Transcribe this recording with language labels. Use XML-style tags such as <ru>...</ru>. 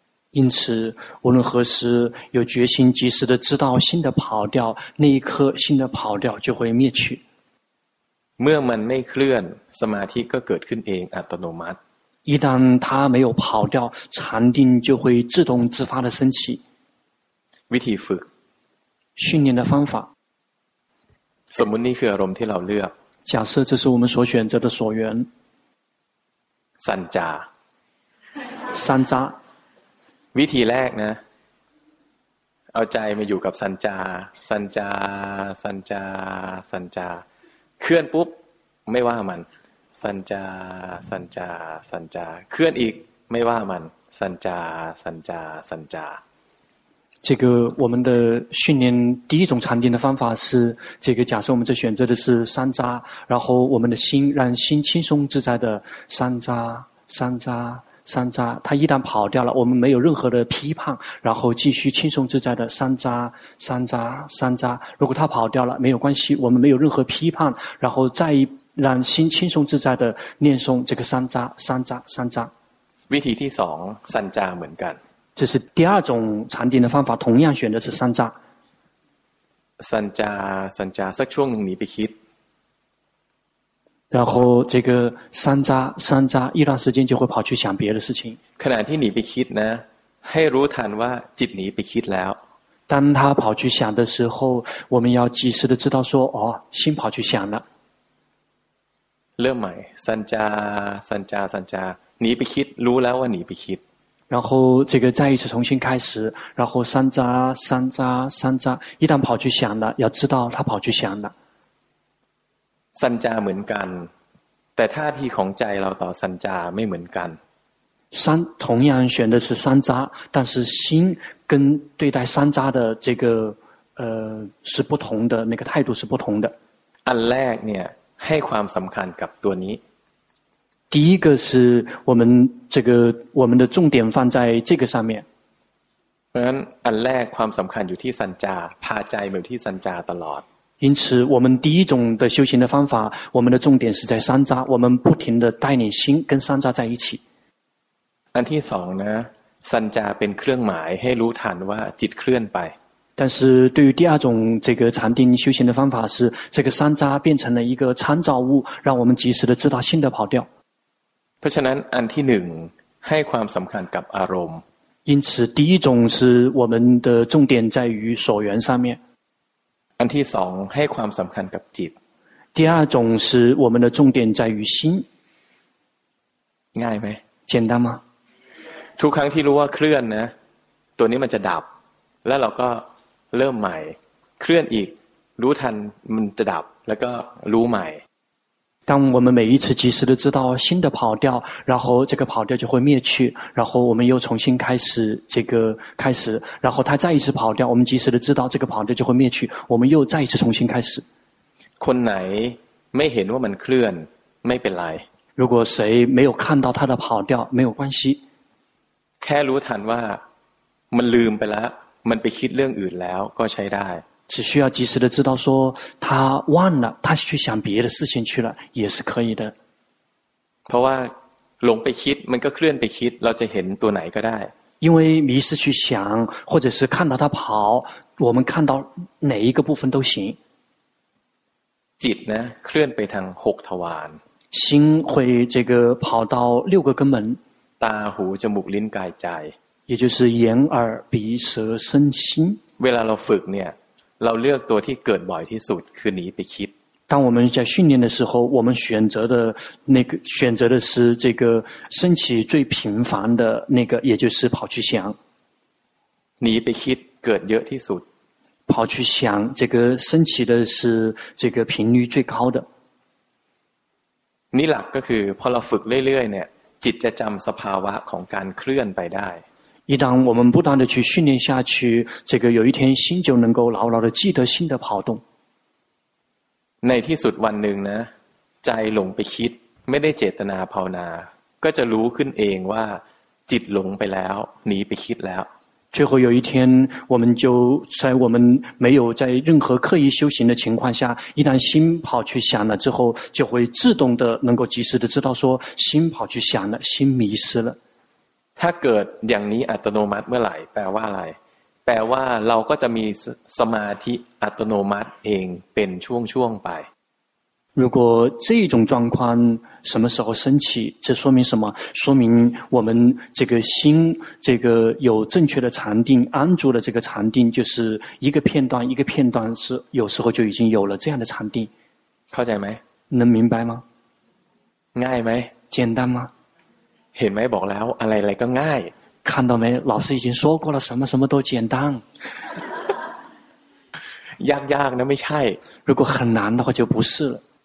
<zh>因此无论何时有决心及时的知道心的跑掉那一刻心的跑掉就会灭去</zh> <th>เมื่อมันไม่เคลื่อนสมาธิก็เกิดขึ้นเองอัตโนมัติ</th> <zh>一旦它没有跑掉禅定就会自动自发的升起</zh> <th>วิธีฝึก</th> <zh>训练的方法</zh> <th>สมมุตินี่คืออารมณ์ที่เราเลือก</th> <zh>假设这是我们所选择的所缘</zh> <th>สัญจา สัญจา วิธีแรกนะเอาใจมาอยู่กับสัญจาสัญจาสัญจาสัญจาเคลื่อนปุ๊บไม่ว่ามันสัญจาสัญจาสัญจาเคลื่อนอีกไม่ว่ามันสัญจาสัญจาสัญจา</th> <zh>这个我们的训练第一种禅定的方法是这个假设我们这选择的是三匝然后我们的心让心轻松自在的三匝三匝三匝它一旦跑掉了我们没有任何的批判然后继续轻松自在的三匝三匝三匝如果它跑掉了没有关系我们没有任何批判然后再让心轻松自在的念诵这个三匝三匝三匝</zh> <th>วิธีที่สอง三匝เหมือนกัน จะคือ</th> <zh>第二种禅定的方法同样选的是三匝</zh> <th>สัญจาสัญจาสักช่วงนึงหนีไปคิด</th> <zh>然后这个三匝三匝一段时间就会跑去想别的事情</zh> <th>ขณะที่หนีไปคิดนะให้รู้ทันว่าจิตหนีไปคิดแล้ว</th> <zh>当他跑去想的时候我们要及时的知道说哦心跑去想了</zh> <th>เริ่มใหม่สัญจาสัญจาสัญจาหนีไปคิดรู้แล้วว่าหนีไปคิด</th> <zh>然后这个再一次重新开始然后三匝三匝三匝一旦跑去想了要知道他跑去想了</zh> <th>三匝เหมือนกันแต่ท่าทีของใจเราต่อสัญจาไม่เหมือนกัน</th> <zh>三同样选的是三匝但是心跟对待三匝的这个是不同的那个态度是不同的</zh> <th>อันแรกเนี่ยให้ความสำคัญกับตัวนี้</th> <zh>第一个是我们这个我们的重点放在这个上面。</zh> <th>เพราะฉะนั้นอันแรกความสำคัญอยู่ที่สัญจาพาใจมาอยู่ที่สัญจาตลอด</th> <zh>因此我们第一种的修行的方法我们的重点是在三匝我们不停的带领心跟三匝在一起。</zh> <th>อันที่สองนะสัญจาเป็นเครื่องหมายให้รู้ทันว่าจิตเคลื่อนไป</th> <zh>但是对于第二种这个禅定修行的方法是这个三匝变成了一个参照物让我们及时的知道心的跑掉。</zh> <th>เพราะฉะนั้นอันที่หนึ่งให้ความสำคัญกับอารมณ์</th> <zh>因此第一种是我们的重点在于所缘上面</zh> <th>อันที่สองให้ความสำคัญกับจิต</th> <zh>第二种是我们的重点在于心</zh> <th>ง่ายไหม</th> <zh>简单吗</zh> <th>ทุกครั้งที่รู้ว่าเคลื่อนนะตัวนี้มันจะดับแล้วเราก็เริ่มใหม่เคลื่อนอีกรู้ทันมันจะดับแล้วก็รู้ใหม่</th> <zh>当我们每一次及时的知道新的跑掉然后这个跑掉就会灭去然后我们又重新开始这个开始然后它再一次跑掉我们及时的知道这个跑掉就会灭去我们又再一次重新开始</zh> <th>คนไหนไม่เห็นว่ามันเคลื่อนไม่เป็นไร</th> <zh>如果谁没有看到它的跑掉没有关系</zh> <th>แค่รู้ทันว่ามันลืมไปแล้วมันไปคิดเรื่องอื่นแล้วก็ใช้ได้</th> <zh>只需要及时的知道说他忘了他去想别的事情去了也是可以的</zh> <th>เพราะว่าหลงไปคิดมันก็เคลื่อนไปคิดเราจะเห็นตัวไหนก็ได้</th> <zh>因为迷失去想或者是看到他跑我们看到哪一个部分都行</zh> <th>จิตนะเคลื่อนไปทาง6ทวาร</th> <zh>心会这个跑到6个根本</zh> <th>ตาหูจมูกลิ้นกายใจ</th> <zh>也就是眼耳鼻舌身心</zh> <th>เวลาเราฝึกเนี่ยเราเลือกตัวที่เกิดบ่อยที่สุดคือหนีไปคิด</th> <zh>当我们在训练的时候我们选择的那个选择的是这个升起最频繁的那个也就是跑去想</zh> <th>หนีไปคิดเกิดเยอะที่สุด</th> <zh>跑去想这个升起的是这个频率最高的</zh> <th>นี่หลักก็คือพอเราฝึกเรื่อยๆเนี่ยจิตจะจำสภาวะของการเคลื่อนไปได้</th> <zh>一旦我们不断地去训练下去这个有一天心就能够牢牢地记得心的跑动</zh> <th>ในที่สุดวันหนึ่งนะใจหลงไปคิดไม่ได้เจตนาภาวนาก็จะรู้ขึ้นเองว่าจิตหลงไปแล้วหนีไปคิดแล้ว</th> <zh>最后有一天我们就在我们没有在任何刻意修行的情况下一旦心跑去想了之后就会自动地能够及时地知道说心跑去想了心迷失了</zh> <th>ถ้าเกิดอย่างนี้อัตโนมัติเมื่อไหร่แปลว่าอะไรแปลว่าเราก็จะมีสมาธิอัตโนมัติเองเป็นช่วงๆไป</th> <zh>如果这种状况什么时候升起这说明什么说明我们这个心这个有正确的禅定安住的这个禅定就是一个片段一个片段是有时候就已经有了这样的禅定</zh> <th>เข้าใจไ</th> <zh>หม能明白吗</zh> <th>ง่ายไหม</th> <zh>简单吗</zh> <th>เห็นไหมบอกแล้วอะไรอะไรก็ง่าย</th> <zh>看到没老师已经说过了什么什么都简单</zh> <th>ยากๆนะไม่ใช่</th> <zh>如果很难的话就不是了</zh>